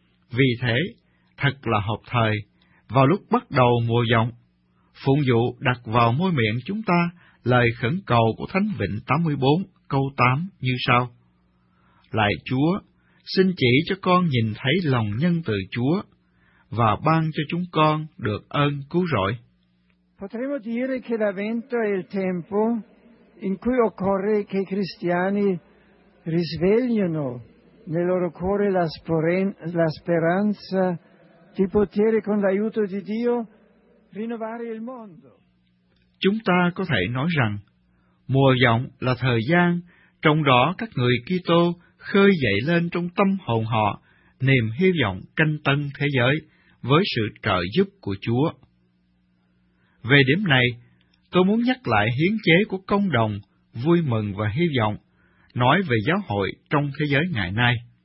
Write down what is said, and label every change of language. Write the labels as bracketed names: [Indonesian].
[Vietnamese] Vì thế, thật là hợp thời, vào lúc bắt đầu mùa vọng, phụng dụ đặt vào môi miệng chúng ta lời khẩn cầu của Thánh Vịnh 84 câu 8 như sau. Lạy Chúa, xin chỉ cho con nhìn thấy lòng nhân từ Chúa và ban cho chúng con được ơn cứu rỗi. [Italian] Potremmo dire che l'avvento è il tempo in cui occorre che i cristiani risvegliano nel loro cuore la speranza di poter, con l'aiuto di Dio, rinnovare il mondo. [Vietnamese] Chúng ta có thể nói rằng, mùa giọng là thời gian trong đó các người Kitô khơi dậy lên trong tâm hồn họ niềm hy vọng canh tân thế giới với sự trợ giúp của Chúa. Về điểm này, tôi muốn nhắc lại hiến chế của công đồng vui mừng và hy vọng, nói về giáo hội trong thế giới ngày nay.